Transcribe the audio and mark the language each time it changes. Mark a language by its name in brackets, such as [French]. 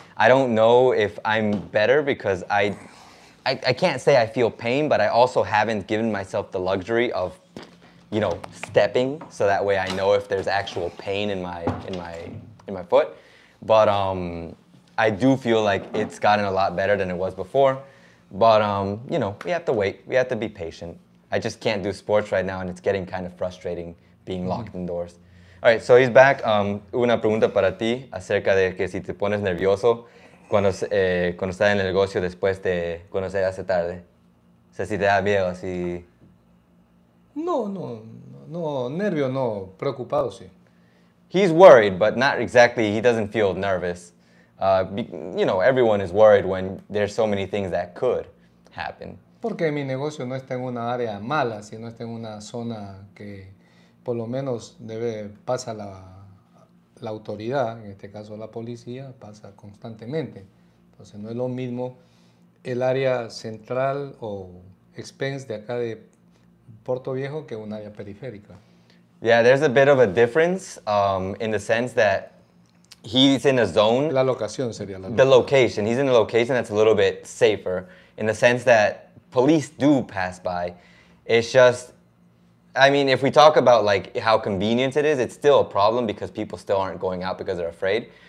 [English] I don't know if I'm better because I can't say I feel pain, but I also haven't given myself the luxury of, you know, stepping so that way I know if there's actual pain in my foot. But I do feel like it's gotten a lot better than it was before. But you know, we have to wait. We have to be patient. I just can't do sports right now, and it's getting kind of frustrating being locked indoors. All right, so he's back. [Spanish] Una pregunta para ti acerca de que si te pones nervioso cuando cuando estás en el negocio después de cuando se hace tarde. O sea, si te da miedo, si... No, nervio no, preocupado sí. [English] He's worried, but not exactly, he doesn't feel nervous. You know, everyone is worried when there's so many things that could happen. [Spanish] Porque mi negocio no está en una área mala, sino está en una zona que por lo menos debe pasa la autoridad, en este caso la policía, pasa constantemente. Entonces no es lo mismo el área central o expense de acá de Puerto Viejo que un área periférica. [English] Yeah, there's a bit of a difference in the sense that he's in a zone. [Spanish] La locación sería la locación. [English] The location. He's in a location that's a little bit safer in the sense that police do pass by. It's just, I mean, if we talk about like how convenient it is, it's still a problem because people still aren't going out because they're afraid.